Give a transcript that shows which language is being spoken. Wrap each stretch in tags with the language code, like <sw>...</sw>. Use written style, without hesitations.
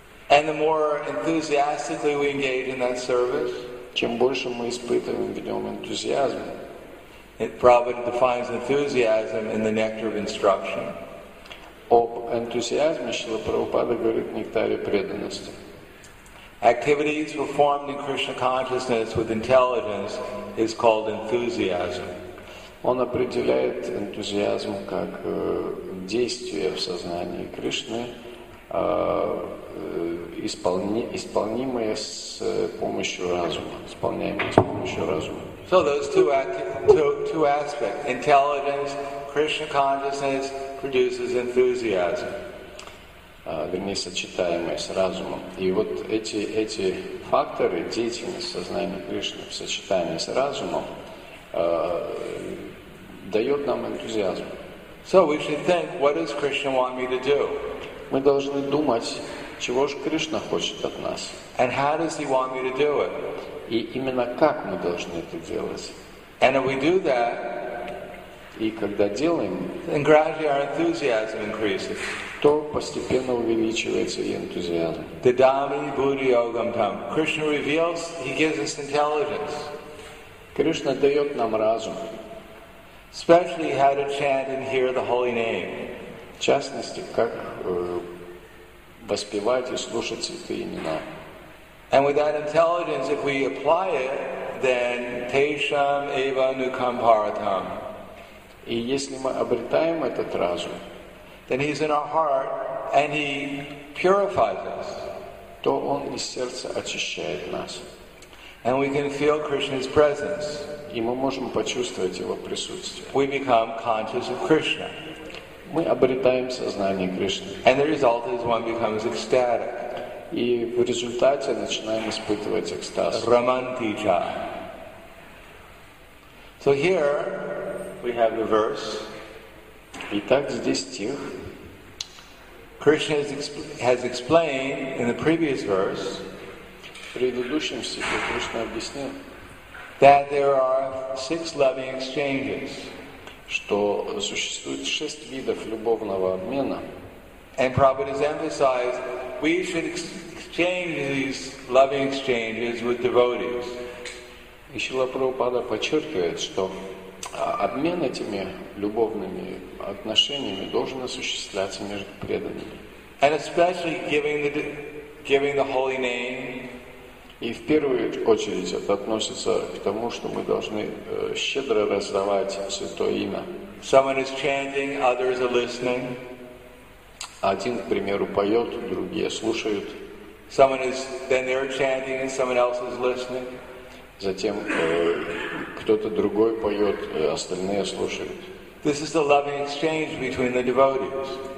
<en>And the more enthusiastically we engage in that service,</en> <ru>чем больше мы испытываем в нем энтузиазм,</ru> <en>Prabhupada defines enthusiasm in the nectar of instruction.</en> <ru>Об энтузиазме Шрила Прабхупада говорит в нектаре преданности.</ru> <en>Activities performed in Krishna consciousness with intelligence is called enthusiasm.</en> <ru>Он определяет энтузиазм как действие в сознании Кришны, исполнимое с помощью разума, исполняемое с помощью разума.</ru> <en>So those two aspects, intelligence, Krishna consciousness produces enthusiasm.</en> <ru>Вернее, сочетаемое с разумом. И вот эти факторы, деятельность сознания Кришны в сочетании с разумом, дает нам энтузиазм.</ru> <en>So we should think, what does Krishna want me to do?</en> <ru>Мы должны думать, чего же Кришна хочет от нас.</ru> <en>And how does he want me to do it?</en> <ru>И именно как мы должны это делать.</ru> <en>And if we do that,</en> <ru>и когда делаем,</ru> <en>then gradually our enthusiasm increases.</en> <ru>То постепенно увеличивается и энтузиазм.</ru> <sa>Dadami Buddhi Yogam Tam.</sa> <en>Krishna reveals, he gives us intelligence.</en> <ru>Кришна дает нам разум.</ru> <en>Especially how to chant and hear the holy name.</en> <ru>В частности, как воспевать и слушать святые имена.</ru> <en>And with that intelligence, if we apply it, then</en> <sa>tesham eva nukam paratam.</sa> <ru>И если мы обретаем этот разум,</ru> <en>then he's in our heart and he purifies us.</en> <ru>То он из сердца очищает нас.</ru> <en>And we can feel Krishna's presence.</en> <ru>И мы можем почувствовать его присутствие.</ru> <en>We become conscious of Krishna.</en> <ru>Мы обретаем сознание Кришны.</ru> <en>And the result is one becomes ecstatic.</en> <ru>И в результате начинаем испытывать экстаз. Романтича.</ru> <en>So here we have the verse.</en> <ru>Итак, здесь стих.</ru> <en>Krishna has explained in the previous verse.</en> <ru>В предыдущем стихе Кришна объяснил,</ru> <en>that there are six loving exchanges,</en> <ru>что существует шесть видов любовного обмена.</ru> <en>And Prabhupada has emphasized, we should exchange these loving exchanges with devotees.</en> <ru>И Шрила Прабхупада подчеркивает, что обмен этими любовными отношениями должен осуществляться между преданными.</ru> <en>And especially giving the holy name.</en> <ru>И в первую очередь это относится к тому, что мы должны щедро раздавать Святое Имя.</ru> <en>Someone is chanting, others are listening.</en> <ru>Один, к примеру, поет, другие слушают.</ru> <en>Someone is, then they're chanting and someone else is listening.</en> <ru>Затем кто-то другой поет, остальные слушают.</ru> <en>This is the loving exchange between the devotees.</en>